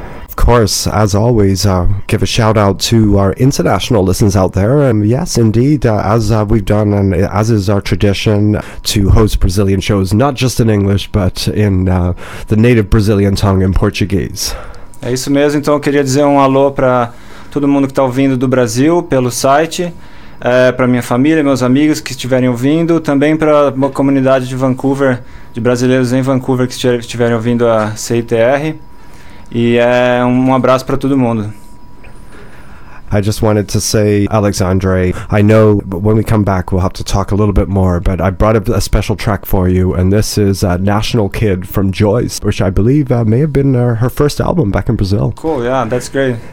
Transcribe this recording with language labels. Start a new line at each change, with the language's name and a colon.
English: Of course, as always, give a shout out to our international listeners out there. And yes, indeed, as we've done, and as is our tradition, to host Brazilian shows, not just in English, but in the native Brazilian tongue, in Portuguese.
Portuguese: É isso mesmo. Então, eu queria dizer um alô para todo mundo que está ouvindo do Brasil pelo site, para minha família, meus amigos que estiverem ouvindo, também para a comunidade de Vancouver, de brasileiros em Vancouver que estiverem ouvindo a CITR. E é um abraço para todo mundo.
English: I just wanted to say, Alexandre, I know when we come back we'll have to talk a little bit more, but I brought a special track for you, and this is National Kid from Joyce, which I believe may have been her first album back in Brazil. Cool, yeah, that's great.